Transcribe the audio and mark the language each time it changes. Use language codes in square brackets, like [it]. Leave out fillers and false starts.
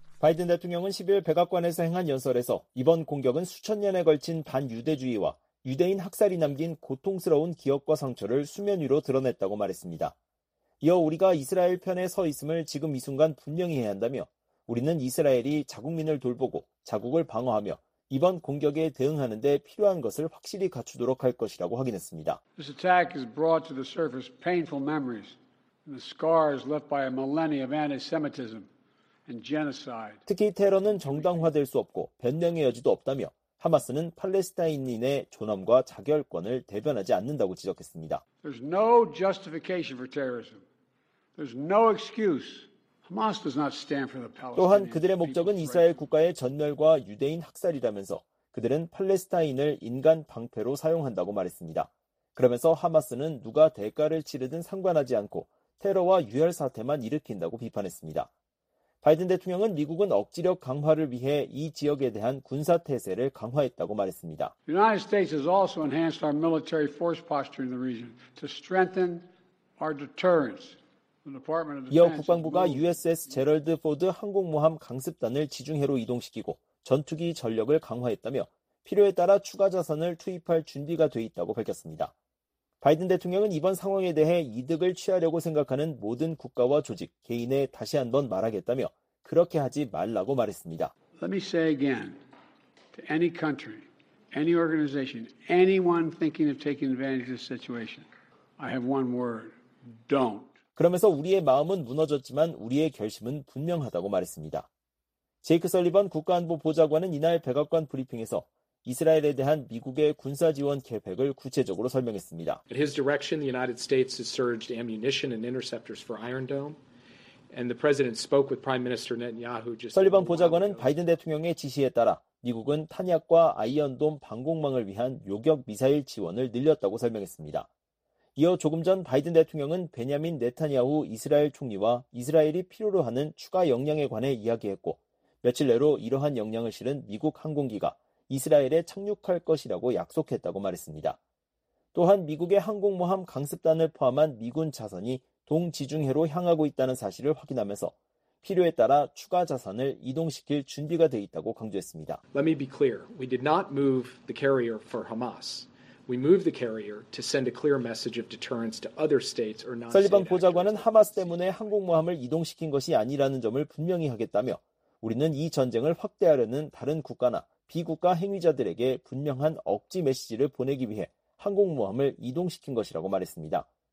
[ko] 바이든 대통령은 10일 백악관에서 행한 연설에서 이번 공격은 수천 년에 걸친 반유대주의와 유대인 학살이 남긴 고통스러운 기억과 상처를 수면 위로 드러냈다고 말했습니다. 이어 우리가 이스라엘 편에 서 있음을 지금 이 순간 분명히 해야 한다며 우리는 이스라엘이 자국민을 돌보고 자국을 방어하며 이번 공격에 대응하는 데 필요한 것을 확실히 갖추도록 할 것이라고 확인했습니다. [en] This attack has brought to the surface painful memories and the scars left by a millennia of anti-Semitism and genocide. [ko] 특히 테러는 정당화될 수 없고 변명의 여지도 없다며 하마스는 팔레스타인인의 존엄과 자결권을 대변하지 않는다고 지적했습니다. [en] There's no justification for terrorism. There's no excuse. Hamas does not stand for the Palestinian. [ko] 또한 그들의 목적은 이스라엘 국가의 전멸과 유대인 학살이라면서 그들은 팔레스타인을 인간 방패로 사용한다고 말했습니다. 그러면서 하마스는 누가 대가를 치르든 상관하지 않고 테러와 유혈 사태만 일으킨다고 비판했습니다. 바이든 대통령은 미국은 억지력 강화를 위해 이 지역에 대한 군사 태세를 강화했다고 말했습니다. [en] The United States has also enhanced our military force posture in the region to strengthen our deterrence. The Department of Defense. [ko] 이어 국방부가 USS 제럴드 포드 항공모함 강습단을 지중해로 이동시키고 전투기 전력을 강화했다며 필요에 따라 추가 자산을 투입할 준비가 돼 있다고 밝혔습니다. 바이든 대통령은 이번 상황에 대해 이득을 취하려고 생각하는 모든 국가와 조직, 개인에 다시 한번 말하겠다며 그렇게 하지 말라고 말했습니다. [en] Let me say again to any country, any organization, anyone thinking of taking advantage of this situation. I have one word. Don't. [ko] 그러면서 우리의 마음은 무너졌지만 우리의 결심은 분명하다고 말했습니다. 제이크 설리번 국가안보 보좌관은 이날 백악관 브리핑에서 이스라엘에 대한 미국의 군사 지원 계획을 구체적으로 설명했습니다. [en] At his direction, the United States has surged ammunition and interceptors for Iron Dome, and the president spoke with Prime Minister Netanyahu just. [ko] 설리번 보좌관은 바이든 대통령의 지시에 따라 미국은 탄약과 아이언돔 방공망을 위한 요격 미사일 지원을 늘렸다고 설명했습니다. 이어 조금 전 바이든 대통령은 베냐민 네타냐후 이스라엘 총리와 이스라엘이 필요로 하는 추가 역량에 관해 이야기했고 며칠 내로 이러한 역량을 실은 미국 항공기가 이스라엘에 착륙할 것이라고 약속했다고 말했습니다. 또한 미국의 항공모함 강습단을 포함한 미군 자선이 동지중해로 향하고 있다는 사실을 확인하면서 필요에 따라 추가 자선을 이동시킬 준비가 돼 있다고 강조했습니다. [en] Let me be clear. We did not move the carrier for Hamas. We moved the carrier to send a clear message of deterrence to other states or non-state. [ko] 설리번 보좌관은 하마스 때문에 항공모함을 이동시킨 것이 아니라는 점을 분명히 하겠다며 우리는 이 전쟁을 확대하려는 다른 국가나 비국가 행위자들에게 분명한 억지 메시지를 보내기 위해 항공모함을 이동시킨 것이라고 말했습니다.